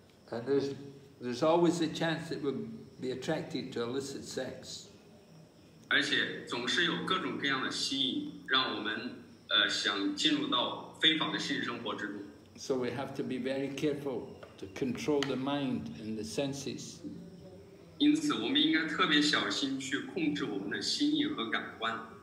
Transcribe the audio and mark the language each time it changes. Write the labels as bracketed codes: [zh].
[en] And there's always a chance that we'll be attracted to illicit sex. [zh] 而且总是有各种各样的吸引，让我们想进入到非法的性生活之中。 [en] So we have to be very careful to control the mind and the senses. [zh] 因此我们应该特别小心去控制我们的心意和感官。